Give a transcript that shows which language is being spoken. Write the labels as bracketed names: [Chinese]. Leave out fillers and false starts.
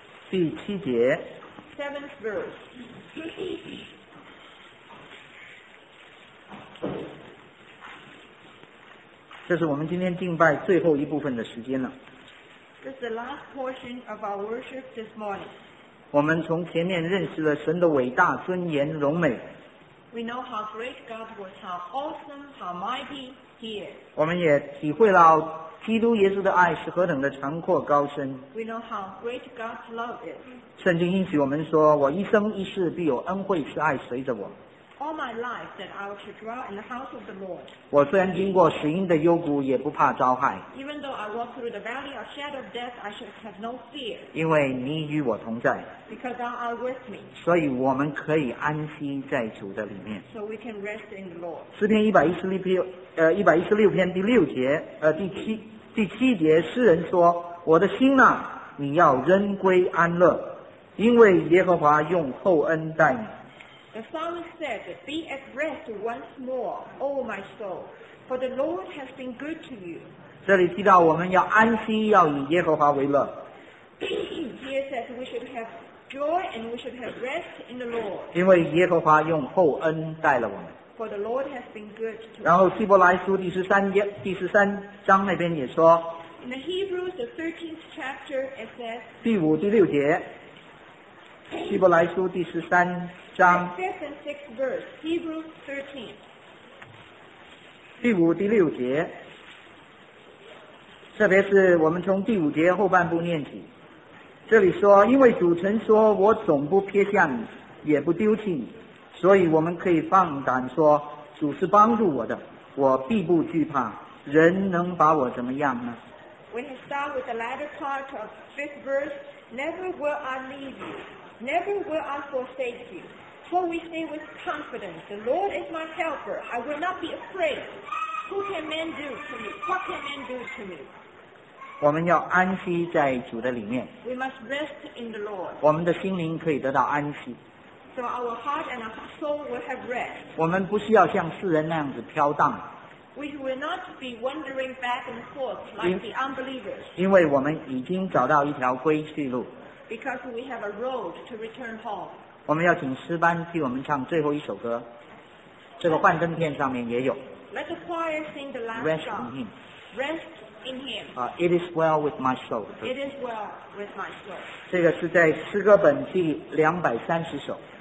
[Chinese] 第七节。 [English] Seventh verse. [Chinese] 这是我们今天敬拜最后一部分的时间了。 [English] This is the last portion of our worship this morning. [Chinese] 我们从前面认识了神的伟大、尊严、荣美。 [English] We know how great God was, how awesome, how mighty He is. [Chinese] 我们也体会了基督耶稣的爱是何等的长阔高深。 [English] We know how great God's love is. [Chinese] 圣经应许我们说：“我一生一世必有恩惠慈爱随着我。” [English] All my life that I should dwell in the house of the Lord. [Chinese] 我虽然经过死荫的幽谷，也不怕遭害。 [English] Even though I walk through the valley of shadow of death, I should have no fear. [Chinese] 因为你与我同在。 [English] Because thou art with me. [Chinese] 所以我们可以安息在主的里面。 [English] So we can rest in the Lord. [Chinese] 诗篇116篇第六节，第七节，诗人说：“我的心呐、啊，你要仍归安乐，因为耶和华用厚恩待你。” [English] The psalmist said, "Be at rest once more, O my soul, for the Lord has been good to you." [Chinese] 这里提到我们要安息，要以耶和华为乐。 [English] Here says we should have joy and we should have rest in the Lord. [Chinese] 因为耶和华用厚恩待了我们。 [English] For the Lord has been good to us. [Chinese] 然后希伯来书第十三章那边也说。 [English] In the Hebrews, the 13th chapter, it says. [Chinese] 第五、第六节。希伯来书第十三章 [English] fifth and sixth verse, Hebrews 13. [Chinese] 第五、第六节，特别是我们从第五节后半部念起，这里说，因为主曾说，我总不撇下你，也不丢弃你，所以我们可以放胆说，主是帮助我的，我必不惧怕，人能把我怎么样呢？ [English] When you start with the latter part of fifth verse, never will I leave you. Never will I forsake you. For we say with confidence, the Lord is my helper. I will not be afraid. Who can man do to me? What can man do to me? [Chinese] 我们要安息在主的里面。 [English] We must rest in the Lord. [Chinese] 我们的心灵可以得到安息。 [English] So our heart and our soul will have rest. [Chinese] 我们不需要像世人那样子飘荡。 [English] We will not be wandering back and forth like the unbelievers. [Chinese] 因为我们已经找到一条归去路。 [English] Because we have a road to return home. [Chinese] 我们要请诗班替我们唱最后一首歌，这个幻灯片上面也有。 [English] Let the choir sing the last Rest song. In him. Rest in him. It is well with my soul. It is well with my soul. [Chinese] 这个是在诗歌本第230首。